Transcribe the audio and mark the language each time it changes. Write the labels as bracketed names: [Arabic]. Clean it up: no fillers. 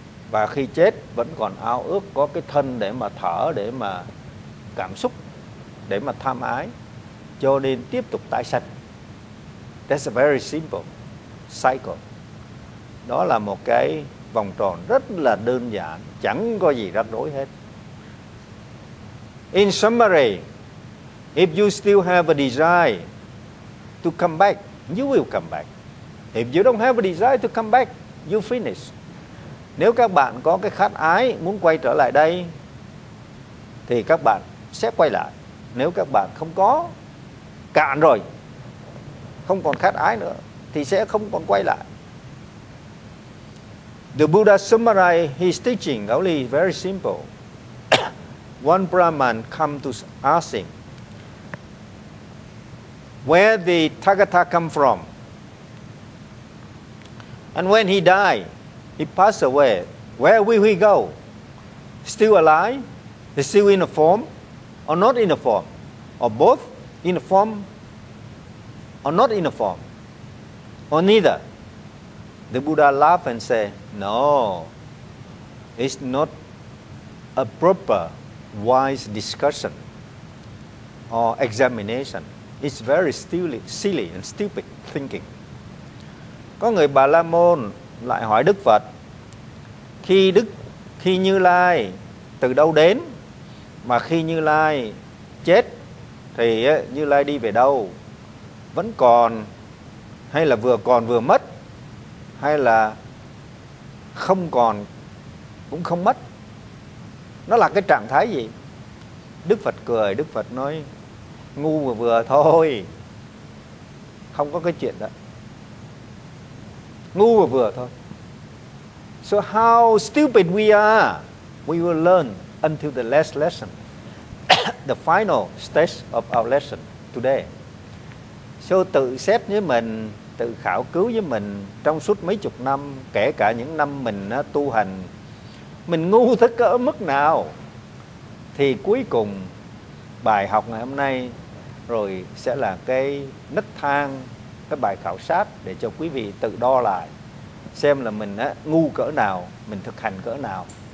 [Vietnamese] Và khi chết vẫn còn ao ước có cái thân để mà thở, để mà cảm xúc, để mà tham ái, cho nên tiếp tục tái sanh. [English] That's a very simple cycle. [Vietnamese] Đó là một cái vòng tròn rất là đơn giản, chẳng có gì rắc rối hết. [English] In summary, if you still have a desire to come back, you will come back. If you don't have a desire to come back, you finish. [Vietnamese] Nếu các bạn có cái khát ái muốn quay trở lại đây thì các bạn sẽ quay lại. Nếu các bạn không có, cạn rồi, không còn khát ái nữa, thì sẽ không còn quay lại. [English] The Buddha summarized his teaching only very simple. One Brahman come to ask him, where the Tathagata come from? And when he died, he passed away, where will he go? Still alive? He's still in a form? Or not in a form? Or both? In a form? Or not in a form? Or neither? The Buddha laughed and said, no, it's not a proper wise discussion or examination. It's very silly and stupid thinking. [Vietnamese] Có người Bà La Môn lại hỏi Đức Phật, khi Như Lai từ đâu đến, mà khi Như Lai chết thì Như Lai đi về đâu? Vẫn còn hay là vừa còn vừa mất, hay là không còn cũng không mất? Nó là cái trạng thái gì? Đức Phật cười, Đức Phật nói, ngu vừa vừa thôi, không có cái chuyện đó. Ngu vừa vừa thôi. [English] So how stupid we are, we will learn until the last lesson, the final stage of our lesson today. [Vietnamese] So tự xét với mình, tự khảo cứu với mình trong suốt mấy chục năm, kể cả những năm mình tu hành, mình ngu thức ở mức nào, thì cuối cùng bài học ngày hôm nay rồi sẽ là cái nấc thang, cái bài khảo sát để cho quý vị tự đo lại xem là mình á, ngu cỡ nào, mình thực hành cỡ nào.